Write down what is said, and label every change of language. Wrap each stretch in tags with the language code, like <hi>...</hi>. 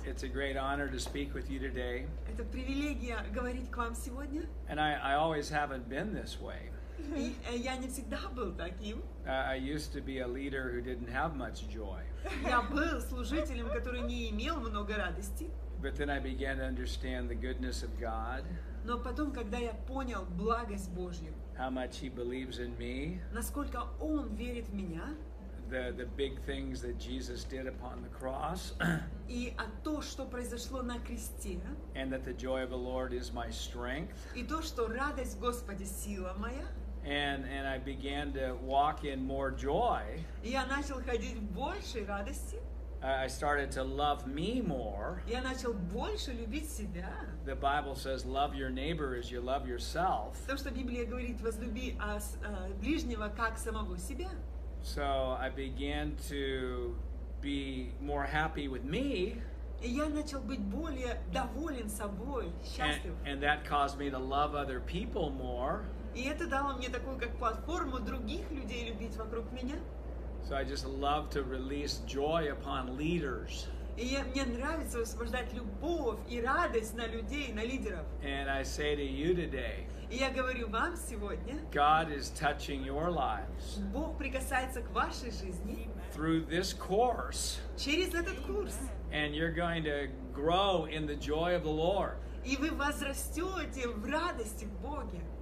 <en>It's a great honor to speak with you today.</en> <ru>Это привилегия говорить к вам сегодня.</ru> <en>And I always haven't been this way.</en> <ru>Я не всегда был таким.</ru> <en>I used to be a leader who didn't have much joy.</en> <ru>Я был служителем, который не имел много радости.</ru> <en>But then I began to understand the goodness of God.</en> <ru>Но потом, когда я понял благость Божью.</ru> <en>How much He believes in me.</en> <ru>Насколько Он верит в меня.</ru> <en>The big things that Jesus did upon the cross.</en> <ru>И о то, что произошло на кресте.</ru> <en>And that the joy of the Lord is my strength.</en> <ru>И то, что радость Господа сила моя.</ru> <en>And I began to walk in more joy.</en> <ru>Я начал ходить в большей радости.</ru> <en>I started to love me more.</en> <ru>Я начал больше любить себя.</ru> <en>The Bible says, "Love your neighbor as you love yourself."</en> <ru>То, что Библия говорит, возлюби ближнего как самого себя.</ru> <en>So I began to be more happy with me.</en> <ru>И я начал быть более доволен собой, счастлив.</ru> <en>And that caused me to love other people more.</en> <ru>И это дало мне такую как платформу других людей любить вокруг меня.</ru> <en>So I just love to release joy upon leaders.</en> <ru>И мне нравится высвобождать любовь и радость на людей, на лидеров.</ru> <en>And I say to you today.</en> <ru>И я говорю вам сегодня.</ru> <en>God is touching your lives.</en> <ru>Бог прикасается к вашей жизни.</ru> <en>Through this course.</en> <ru>Через этот курс.</ru> <en>And you're going to grow in the joy of the Lord.</en> <ru>И вы возрастете в радости в Боге.</ru>